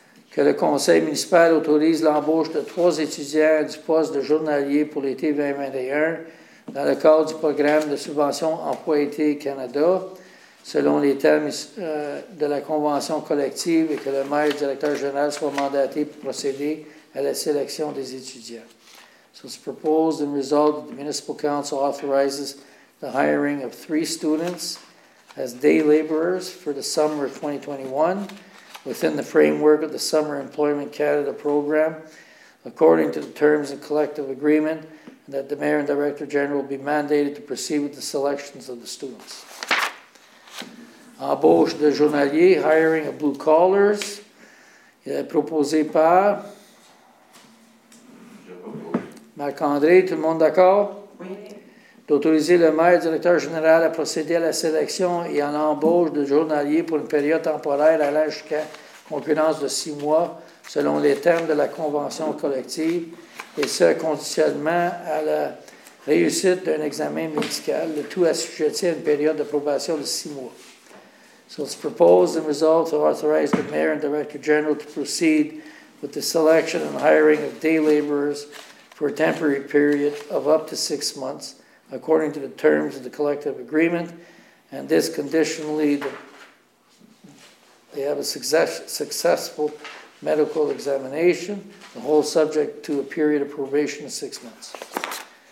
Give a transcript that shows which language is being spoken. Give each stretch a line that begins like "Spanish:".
French: Que le conseil municipal autorise l'embauche de 3 étudiants du poste de journalier pour l'été 2021 dans le cadre du programme de subvention Emploi-Été Canada, selon les termes de la convention collective, et que le maire et directeur général soit mandaté pour procéder à la sélection des étudiants.
English: So it's proposed and resolved that the Municipal Council authorizes the hiring of 3 students as day laborers for the summer of 2021 within the framework of the Summer Employment Canada program, according to the terms of collective agreement, and that the Mayor and Director General will be mandated to proceed with the selections of the students.
French: Embauche de journalier,
English: hiring of blue collars,
French: il est proposé par... Marc-André, tout le monde d'accord? Oui. D'autoriser le maire et directeur général à procéder à la sélection et à l'embauche de journaliers pour une période temporaire allant jusqu'à concurrence de 6 mois, selon les termes de la convention collective, et ce, conditionnellement à la réussite d'un examen médical, le tout assujetti à une période de probation de 6 mois.
English: So it's proposed and resolved to authorize the mayor and director general to proceed with the selection and hiring of day laborers for a temporary period of up to 6 months, according to the terms of the collective agreement, and this conditionally that they have a successful medical examination, the whole subject to a period of probation of 6 months.